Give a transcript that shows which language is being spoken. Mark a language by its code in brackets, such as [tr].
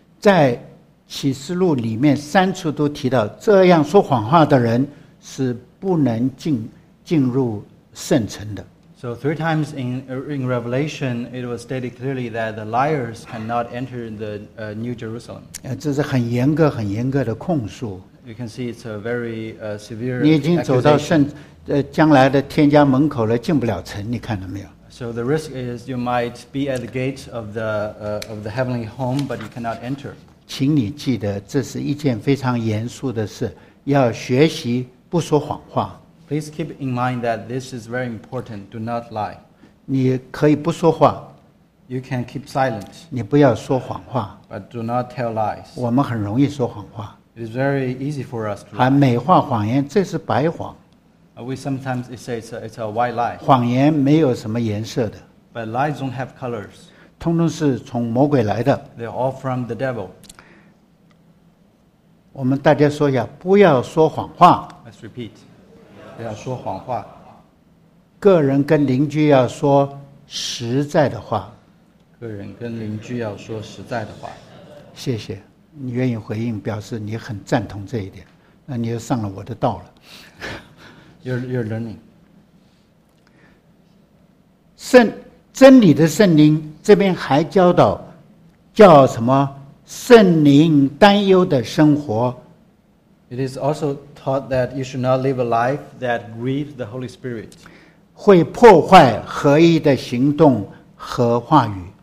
[zh] 在启示录里面三处都提到这样说谎话的人是不能进入圣城的。 [en] So three times in Revelation, it was stated clearly that the liars cannot enter the New Jerusalem. [zh] 这是很严格、很严格的控诉。 [en] You can see it's a very severe. [zh] 你已经走到将来的天家门口了，进不了城。你看到没有 [en] ？So the risk is you might be at the gate of the heavenly home, but you cannot enter. [zh] 请你记得，这是一件非常严肃的事，要学习。不说谎话。 [en] Please keep in mind that this is very important. Do not lie. [zh] 你可以不说话。 [en] You can keep silent. [zh] 你不要说谎话。 [en] But do not tell lies. [zh] 我们很容易说谎话。 [en] It is very easy for us to lie. [zh] 还美化谎言，这是白谎。 [en] We sometimes say it's a white lie. [zh] 谎言没有什么颜色的。 [en] But lies don't have colors. [zh] 通通是从魔鬼来的。 [en] They're all from the devil. [zh] 我们大家说一下，不要说谎话。 [en] Let's repeat. [zh] 不要说谎话。个人跟邻居要说实在的话。个人跟邻居要说实在的话。谢谢你愿意回应，表示你很赞同这一点，那你就上了我的道了。 [en] You're learning。 [zh] 真理的圣灵这边还教导叫什么圣灵担忧的生活。 [en] It is also taught that you should not live a life that grieves the Holy Spirit. [zh] 会破坏合一的行动和话语。